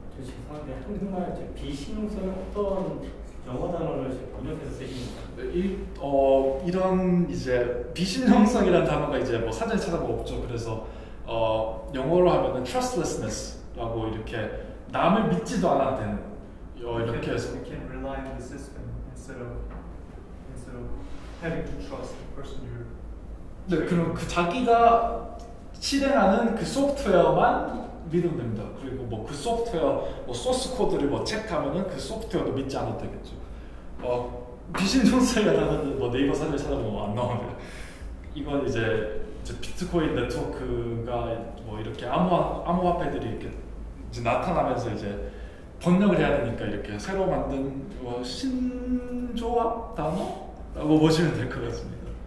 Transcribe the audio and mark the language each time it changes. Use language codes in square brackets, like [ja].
[ko] 죄송한데 한국말 비신용성은 어떤 영어 단어를 번역해서 쓰시는가요? 이런 이제 비신용성이라는 단어가 이제 뭐 사전에 찾아보고 없죠. 그래서 영어로 하면은 trustlessness라고 이렇게 남을 믿지도 않았던 이렇게 해서 [en] you can rely on the system instead of having to trust the person you're [ko] 네, 그럼 그 자기가 실행하는 그 소프트웨어만 믿으면 됩니다. 그리고 뭐 그 소프트웨어 뭐 소스 코드를 뭐 체크하면은 그 소프트웨어도 믿지 않아도 되겠죠. 비신용성이라는 뭐 네이버 사전에 찾아보면 안 나오는데 이건 이제 비트코인 네트워크가 뭐 이렇게 암호화폐들이 이렇게 이제 나타나면서 이제 번역을 해야 되니까 이렇게 새로 만든 뭐 신조합 단어라고 보시면 될 것 같습니다.